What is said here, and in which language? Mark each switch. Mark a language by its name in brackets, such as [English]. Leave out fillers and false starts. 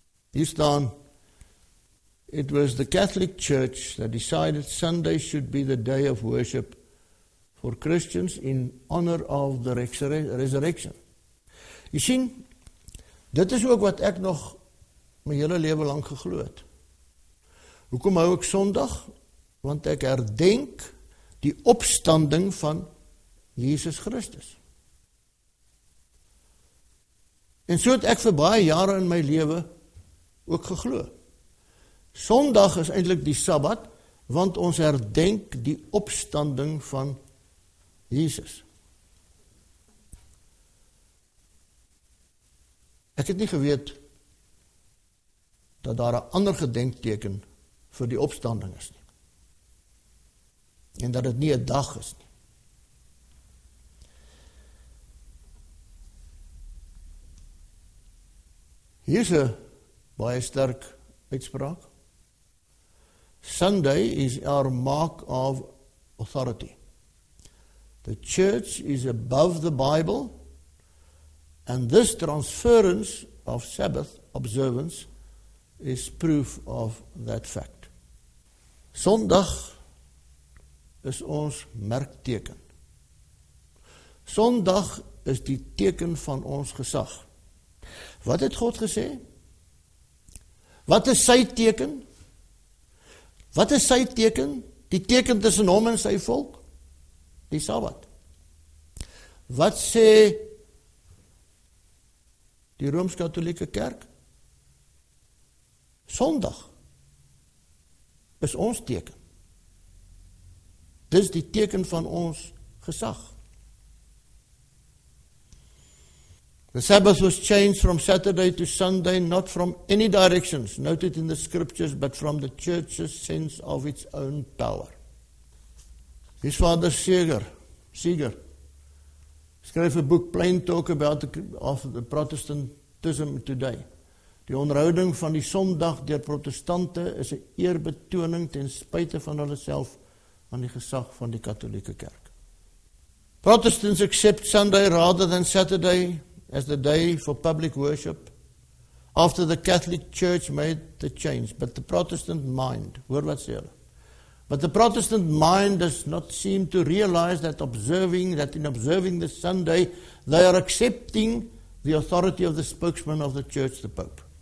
[Afrikaans] Hier staan, [English] it was the Catholic Church that decided Sunday should be the day of worship for Christians in honor of the resurrection. [Afrikaans] Jy sien, dit is ook wat ek nog my hele lewe lang geglo het. Hoekom hou ek Sondag? Want ek herdenk die opstanding van Jesus Christus. En so het ek vir baie jare in my lewe ook geglo. Sondag is eintlik die Sabbat, want ons herdenk die opstanding van Jesus. Ek het nie geweet dat daar 'n ander gedenkteken vir die opstanding is nie. En dat het nie 'n dag is nie. Hier is 'n baie sterk uitspraak. [English] Sunday is our mark of authority. The church is above the Bible, and this transference of Sabbath observance is proof of that fact. [Afrikaans] Sondag is ons merkteken. Sondag is die teken van ons gesag. Wat het God gesê? Wat is sy teken? Wat is sy teken? Die teken tussen hom en sy volk? Die Sabbat. Wat sê die Rooms-Katolieke Kerk? Sondag is ons teken. Dis die teken van ons gesag. [English] The Sabbath was changed from Saturday to Sunday, not from any directions noted in the scriptures, but from the church's sense of its own power. His father Seeger, [Afrikaans] skryf 'n boek, [English] Plain Talk About the Protestantism Today. [Afrikaans] Die onderhouding van die Sondag deur protestante is 'n eerbetoning ten spyte van hulle self aan die gesag van die katolieke kerk. [English] Protestants accept Sunday rather than Saturday as the day for public worship after the Catholic Church made the change, but the Protestant mind, [Afrikaans] hoor wat sê hulle, [English] but the Protestant mind does not seem to realize that in observing the Sunday, they are accepting the authority of the spokesman of the church, the Pope.